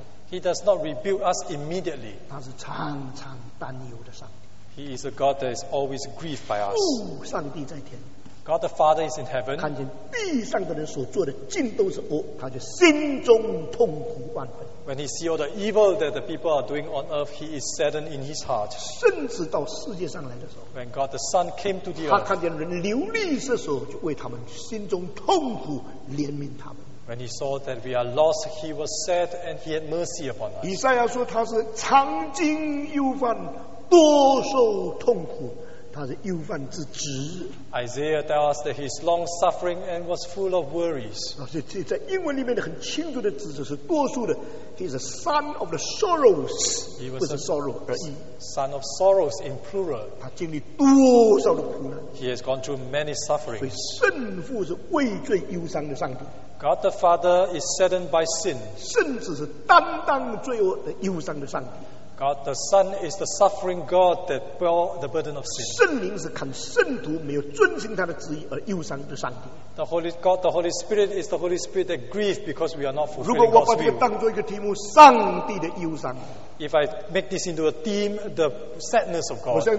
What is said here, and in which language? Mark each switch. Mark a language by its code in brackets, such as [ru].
[en] He does not rebuke us immediately. [zh] 他是常常担忧的上帝。 [en] He is a God that is always grieved by us. [zh] 上帝在天, [en] God the Father is in heaven. [zh] 看见地上的人所做的尽都是恶, 他就心中痛苦万分。 [en] When he sees all the evil that the people are doing on earth, he is saddened in his heart. [zh] 甚至到世界上来的时候, [en] when God the Son came to the earth, [zh] 他看见人流离失所, 就为他们心中痛苦, 怜悯他们。 [en] When he saw that we are lost, he was sad and he had mercy upon us. [zh] 以赛亚说他是常经忧患, 多受痛苦, 他是忧患之职。 [en] Isaiah tells us that he is long suffering and was full of worries. [zh] 在英文里面很清楚的指的是多数的, [en] he is a son of the sorrows. He was a sorrow, son of sorrows in plural. [zh] 他经历多少的苦难? [en] He has gone through many sufferings. [zh] 所以圣父是畏罪忧伤的上帝。 [en] God the Father is saddened by sin. [zh] 甚至是担当罪恶的忧伤的上帝。 [en] God the Son is the suffering God that bore the burden of sin. [zh] 圣灵是看圣徒没有遵行他的旨意而忧伤的上帝。 [en] The Holy God, the Holy Spirit is the Holy Spirit that grieves because we are not fulfilling God's will. [zh] 如果我把这个当作一个题目，上帝的忧伤。 [en] If I make this into a theme, the sadness of God.